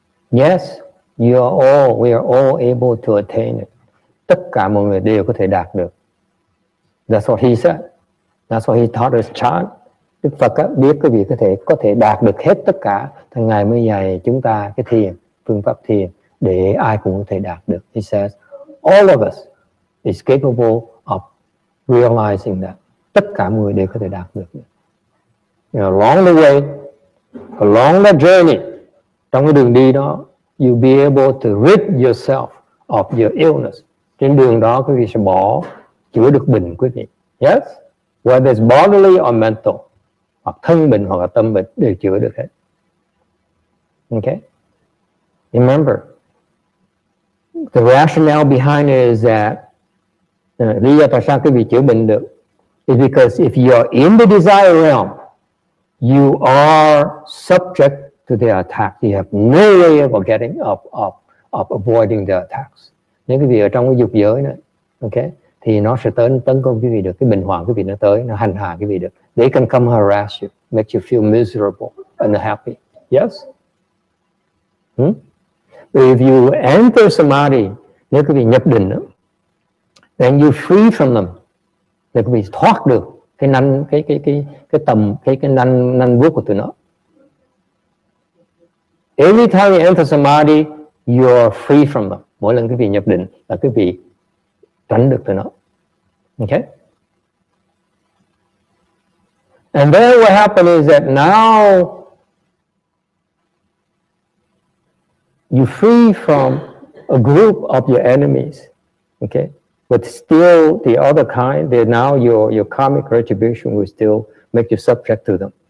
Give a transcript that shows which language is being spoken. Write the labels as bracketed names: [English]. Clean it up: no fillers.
[English] Yes, we are all able to attain it. [Vietnamese] Tất cả mọi người đều có thể đạt được. [English] That's what he said. That's what he taught us chan. [Vietnamese] Đức Phật biết quý vị có thể đạt được hết tất cả, thì ngài mới dạy chúng ta cái thiền, phương pháp thiền để ai cũng có thể đạt được. [English] He says, all of us is capable of realizing that. [Vietnamese] Tất cả mọi người đều có thể đạt được. [English] You know, along the way, along the journey, [Vietnamese] trong cái đường đi đó, [English] you'll be able to rid yourself of your illness. [Vietnamese] Trên đường đó quý vị sẽ bỏ, chữa được bệnh quý vị. Yes? [English] Whether it's bodily or mental, [Vietnamese] hoặc thân bệnh hoặc là tâm bệnh đều chữa được hết. [English] Okay? Remember, the rationale behind it is that [Vietnamese] lý do tại sao quý vị chữa bệnh được [English] is because if you are in the desire realm, you are subject to their attack. You have no way of getting of avoiding their attacks. [Vietnamese] Nếu quý vị ở trong cái dục giới này, okay, thì nó sẽ tấn công quý vị được, cái bệnh hoạn quý vị nó tới, nó hành hạ quý vị được. [English] They can come harass you, make you feel miserable and unhappy. Yes? If you enter samadhi, [Vietnamese] nếu quý vị nhập định đó, [English] then you free from them. [Vietnamese] Nếu quý vị thoát được cái nanh vuốt của tụi nó. [English] Every time you enter samadhi, you are free from them. [Vietnamese] Mỗi lần quý vị nhập định là quý vị tránh được tụi nó. [English] Okay? And then what happened is that now you're free from a group of your enemies, okay? But still the other kind, they're now your karmic retribution will still make you subject to them.